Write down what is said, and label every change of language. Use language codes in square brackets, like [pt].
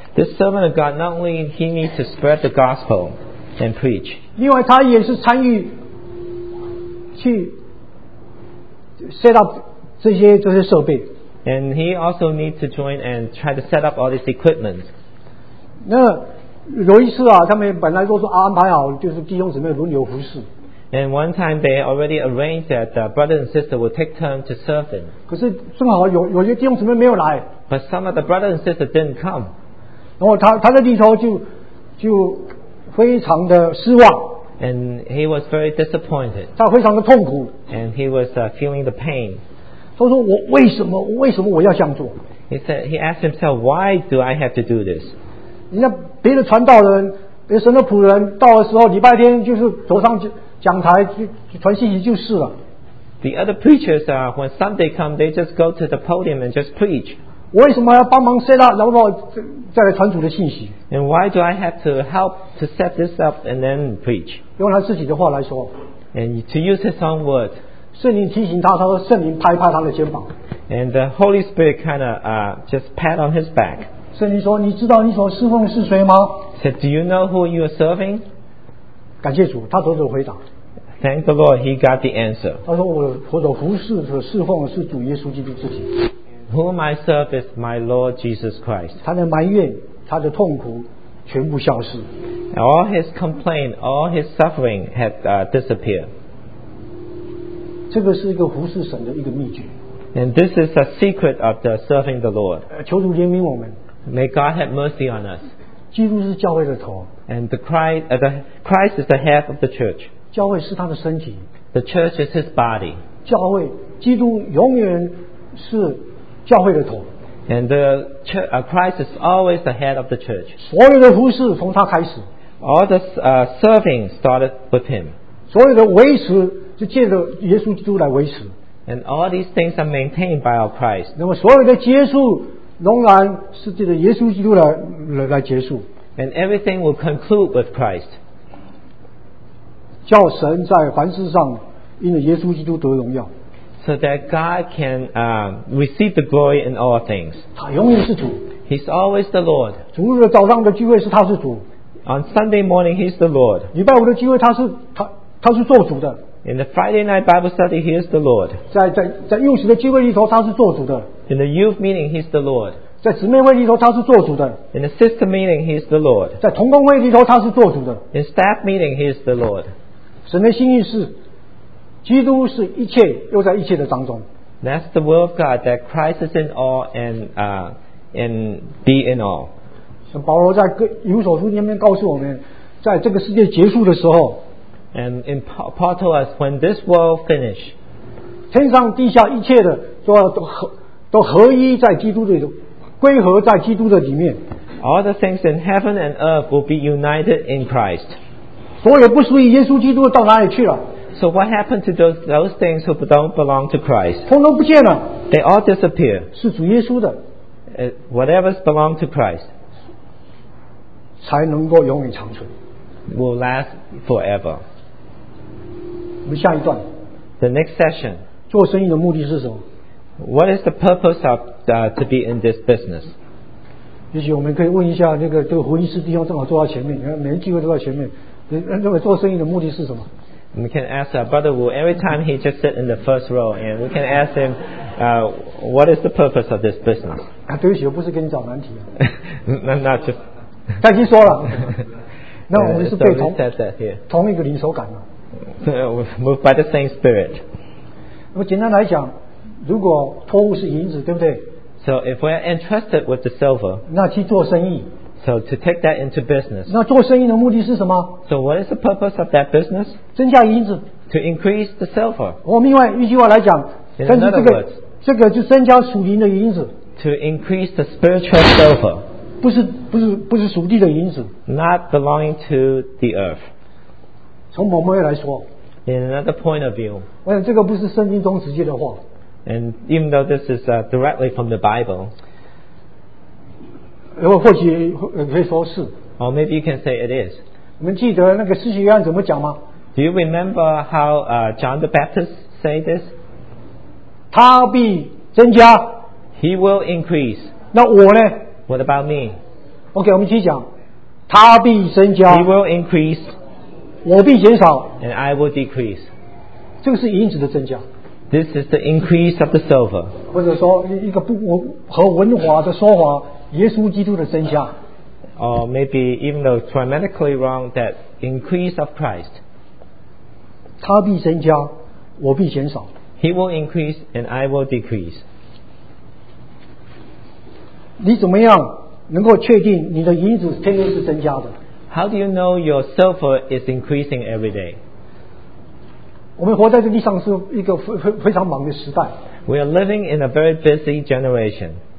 [en] This servant of God not only he needs to spread the gospel and preach. [zh] 另外，他也是参与去 set up. 这些设备 [en] and he also needs to join and try to set up all this equipment [zh] 那有一次啊他们本来都说安排好就是弟兄姊妹轮流服侍 [en] and one time they already arranged that the brother and sister would take turn to serve him [zh] 可是正好有些弟兄姊妹没有来 [en] but some of the brother and sister didn't come [zh] 然后他的弟兄就非常的失望 [en] and he was very disappointed [zh] 他非常的痛苦 [en] and he was feeling the pain [zh] 他说我为什么我要这样做 [en] he asked himself why do I have to do this [zh] 人家别的传道人别的神的仆人到的时候礼拜天就是走上讲台去传信息就是了 [en] the other preachers when Sunday come they just go to the podium and just preach [zh] 我为什么要帮忙 set up 然后再来传主的信息 [en] and why do I have to help to set this up and then preach [zh] 用他自己的话来说 [en] and to use his own word [zh] 圣灵提醒他，他说圣灵拍拍他的肩膀。 [en] And the Holy Spirit kind of just pat on his back. [zh] 圣灵说：“你知道你所侍奉的是谁吗 [en] ？”Said, "Do you know who you are serving?" [zh] 感谢主，他得着回答。 [en] Thank the Lord, he got the answer. [zh] 他说：“我所服侍和侍奉的是主耶稣基督自己。 [en] ”Whom I serve is my Lord Jesus Christ. [zh] 他的埋怨，他的痛苦，全部消失。 [en] All his complaint, all his suffering had disappeared. [zh] 这个是一个服侍神的一个秘诀。 [en] And this is a secret of the serving the Lord. [zh] 求主怜悯我们。 [en] May God have mercy on us. [zh] 基督是教会的头。 [en] And Christ is the head of the church. [zh] 教会是他的身体。 [en] The church is his body. [zh] 教会，基督永远是教会的头。 [en] And the church, Christ is always the head of the church. [zh] 所有的服事从他开始。 [en] All the serving started with him. [zh] 所有的维持是借着耶稣基督来维持。 [en] And all these things are maintained by our Christ. [zh] 那么所有的结束仍然是借着耶稣基督来结束。 [en] And everything will conclude with Christ. [zh] 叫神在凡事上因着耶稣基督得荣耀。 [en] So that God can receive the glory in all things. [zh] 他永远是主。 [en] He's always the Lord. [zh] 主日的早上的聚会是他是主。 [en] On Sunday morning, He's the Lord. [zh] 礼拜五的聚会他是做主的。 [en] In the Friday night Bible study, He is the Lord. [zh] 在幼时的聚会里头，他是做主的。 [en] In the youth meeting, He's the Lord. [zh] 在姊妹会里头，他是做主的。 [en] In the sister meeting, He is the Lord. [zh] 在同工会里头，他是做主的。 [en] In staff meeting, He is the Lord. [zh] 神的心意是。基督是一切又在一切的当中。 [en] That's the will of God that Christ is in all and be in all. [zh] 像保罗在以弗所书里面告诉我们，在这个世界结束的时候 [en] ，and in Paul told us when this world finish， [zh] 天上地下一切的都合一在基督的归合在基督的里面。 [en] All the things in heaven and earth will be united in Christ. [zh] 所有不属于耶稣基督到哪里去了？ [en] So what happened to those things who don't belong to Christ? [zh] 通通不见了。 [en] They all disappear. [zh] 是主耶稣的。 [en] Whatever belongs to Christ, [zh] 才能够永远长存。 [en] Will last forever. [zh] 我们下一段。 [en] The next session. [zh] 做生意的目的是什么？ [en] What is the purpose of to be in this business? [zh] 也许我们可以问一下那个这个胡医师弟兄，正好坐在前面，你看每个机会都在前面，你认为做生意的目的是什么？ [en] We can ask our brother Wu every time he just sit in the first row, and we can ask him, "What is the purpose of this business?" [zh] 啊，对不起，我不是给你找难题。那那就他已经说了。那我们是被同一个灵所感的。 [en] Moved by the same spirit. [zh] 那么简单来讲，如果托物是银子，对不对 [en] ？So if we are entrusted with the silver, [zh] 那去做生意。 [en] So to take that into business. [zh] 那做生意的目的是什么？ [en] So what is the purpose of that business? [zh] 增加银子。 [en] To increase the silver. [zh] 我另外一句话来讲，但是这个就增加属灵的银子。 [en] To increase the spiritual silver. [zh] 不是属地的银子。 [en] Not belonging to the earth. [zh] 从某某位来说。 [en] In another point of view. [zh] 我想这个不是圣经中直接的话。 [en] And even though this is directly from the Bible. [zh] 或许可以说是 [en] or maybe you can say it is. [zh] 我们记得那个施洗约翰怎么讲吗？ [en] Do you remember how John the Baptist said this? [zh] 他必增加。 [en] He will increase. [zh] 那我呢？ [en] What about me? [zh] OK, 我们继续讲。他必增加。 [en] He will increase. [zh] 我必减少。 [en] And I will decrease. [zh] 这个是银子的增加。 [en] This is the increase of the silver. [zh] 或者说一个不和文华的说法耶稣基督的增加 [en] or maybe even though it's grammatically wrong that increase of Christ [zh] 他必增加我必减少 [en] He will increase and I will decrease [zh] 你怎么样能够确定你的银子天天是增加的 [en] How do you know your silver is increasing every day [zh] 我们活在这地上是一个非常忙的时代 [en] We are living in a very busy generation